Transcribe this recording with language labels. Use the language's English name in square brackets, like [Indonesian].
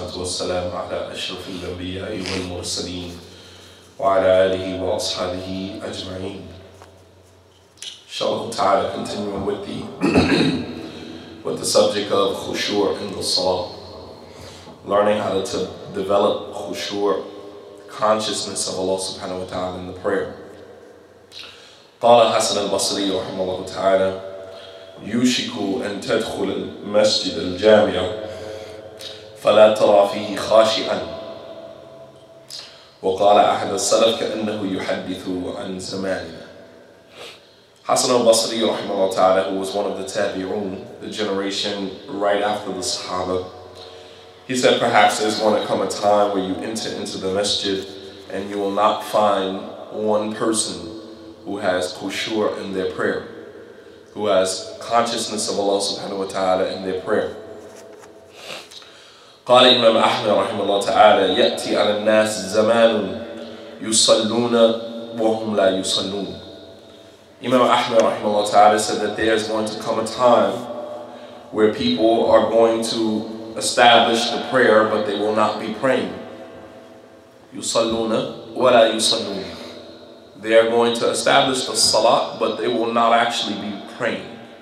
[Arabic] والسلام على أشرف الأنبياء والمرسلين وعلى آله وأصحابه أجمعين. إن شاء الله تعالى [English] continuing with the with the subject of خشوع in the salah, learning how to develop خشوع, consciousness of Allah subhanahu wa ta'ala in the prayer. [Arabic] قال حسن البصري رحمه الله تعالى يوشك أن تدخل المسجد الجامع فلا ترى فيه خاشعا. وقال أحد السلف كأنه يحدث عن زماننا. [English] حسن البصري [Arabic] رحمه الله تعالى, [English] who was one of the tabi'un, the generation right after the Sahaba, he said, perhaps there's going to come a time where you enter into the masjid and you will not find one person who has khushu' in their prayer, who has consciousness of Allah subhanahu wa ta'ala in their prayer. [Arabic] قال إمام أحمد رحمه الله تعالى يأتي على الناس زمان يصلون وهم لا يصلون. [English] Imam Ahmad [Arabic] رحمه الله تعالى [English] said that there is going to come a time where people are going to establish the prayer but they will not be praying. [Arabic] يصلون ولا يصلون. [English] They are going to establish the salat but they will not actually be praying.